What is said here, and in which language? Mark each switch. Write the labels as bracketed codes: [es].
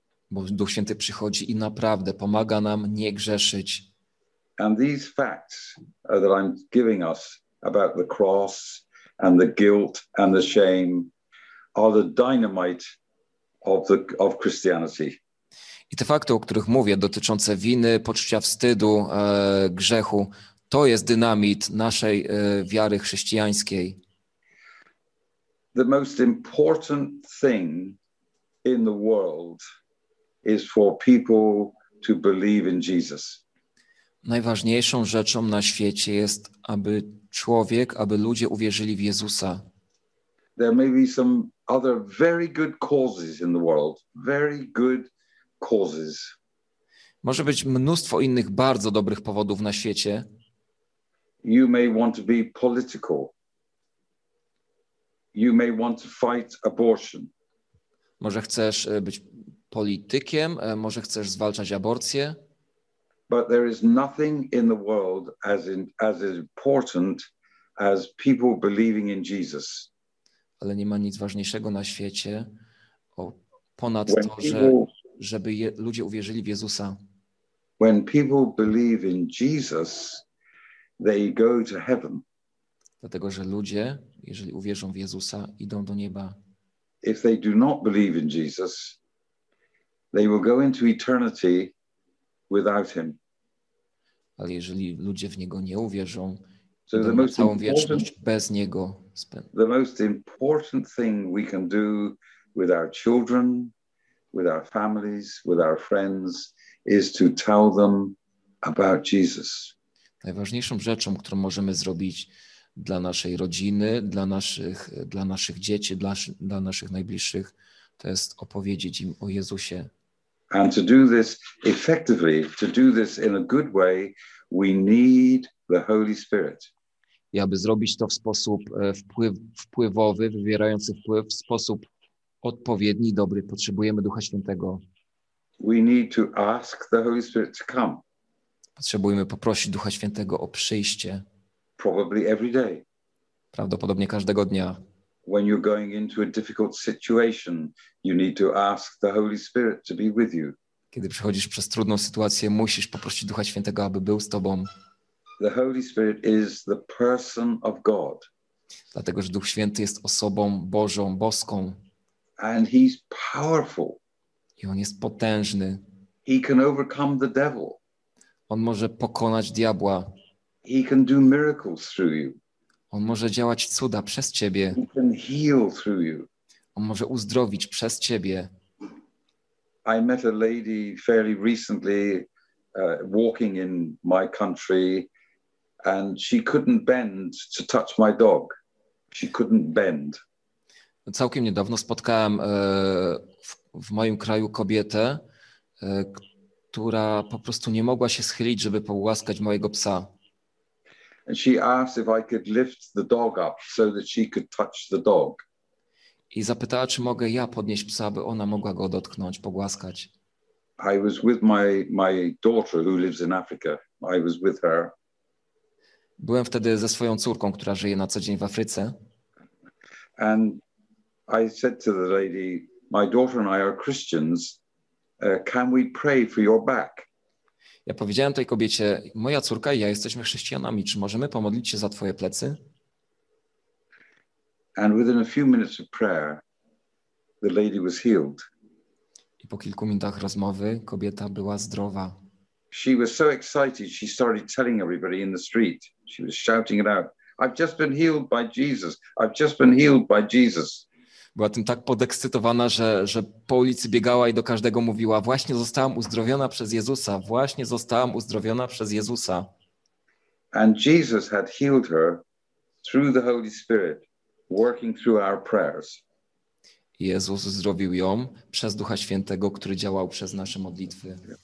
[pl] Bo Duch Święty przychodzi i naprawdę pomaga nam nie grzeszyć. [en] And these facts that I'm giving us about the cross and the guilt and the shame are the dynamite of Christianity. [pl] I te fakty, o których mówię, dotyczące winy, poczucia wstydu, grzechu, to jest dynamit naszej wiary chrześcijańskiej. [en] The most important thing in the world is for people to believe in Jesus. [pl] Najważniejszą rzeczą na świecie jest, aby ludzie uwierzyli w Jezusa. [en] There may be some other very good causes in the world, very good causes. [pl] Może być mnóstwo innych bardzo dobrych powodów na świecie. [en] You may want to be political. You may want to fight abortion. [pl] Może chcesz być politykiem, może chcesz zwalczać aborcję. [en] But there is nothing in the world as important as people believing in Jesus. [pl] Ale nie ma nic ważniejszego na świecie ponad to, żeby ludzie uwierzyli w Jezusa. [en] When people believe in Jesus, they go to heaven. [pl] Dlatego, że ludzie, jeżeli uwierzą w Jezusa, idą do nieba. [en] If they do not believe in Jesus, they will go into eternity without him. [pl] Ale jeżeli ludzie w Niego nie uwierzą, so idą na całą wieczność bez Niego. [en] The most important thing we can do with our children, with our families, with our friends, is to tell them about Jesus. [pl] Najważniejszą rzeczą, którą możemy zrobić dla naszej rodziny, dla naszych dzieci, dla naszych najbliższych, to jest opowiedzieć im o Jezusie. [en] And to do this effectively, to do this in a good way, we need the Holy Spirit. [pl] I aby zrobić to w sposób wpływowy, wywierający wpływ, w sposób odpowiedni, dobry, potrzebujemy Ducha Świętego. [en] We need to ask the Holy Spirit to come. [pl] Potrzebujemy poprosić Ducha Świętego o przyjście. [en] Probably every day. [pl] Prawdopodobnie każdego dnia. [en] When you're going into a difficult situation, you need to ask the Holy Spirit to be with you. [pl] Kiedy przechodzisz przez trudną sytuację, musisz poprosić Ducha Świętego, aby był z tobą. [en] The Holy Spirit is the person of God. [pl] Dlatego, że Duch Święty jest osobą Bożą, boską. [en] And he's powerful. [pl] I on jest potężny. [en] He can overcome the devil. [pl] On może pokonać diabła. [en] He can do miracles through you. [pl] On może działać cuda przez ciebie. [en] He can heal through you. [pl] On może uzdrowić przez ciebie. [en] I met a lady fairly recently walking in my country, and she couldn't bend to touch my dog. She couldn't bend. [pl] Całkiem niedawno spotkałem w moim kraju kobietę, która po prostu nie mogła się schylić, żeby pogłaskać mojego psa. [en] And she asked if I could lift the dog up so that she could touch the dog. [pl] I zapytała, czy mogę ja podnieść psa, aby ona mogła go dotknąć, pogłaskać. [en] I was with my daughter who lives in Africa. I was with her. [pl] Byłem wtedy ze swoją córką, która żyje na co dzień w Afryce. [en] And I said to the lady, my daughter and I are Christians. Can we pray for your back? [pl] Ja powiedziałem tej kobiecie, moja córka i ja jesteśmy chrześcijanami, czy możemy pomodlić się za twoje plecy? [en] And within a few minutes of prayer, The lady was healed. [pl] I po kilku minutach rozmowy kobieta była zdrowa. [en] She was so excited, she started telling everybody in the street. She was shouting it out. I've just been healed by Jesus. I've just been healed by Jesus. [pl] Była tym tak podekscytowana, że po ulicy biegała i do każdego mówiła: właśnie zostałam uzdrowiona przez Jezusa. Właśnie zostałam uzdrowiona przez Jezusa. [en] And Jesus had healed her through the Holy Spirit, working through our prayers. [pl] Jezus uzdrowił ją przez Ducha Świętego, który działał przez nasze modlitwy.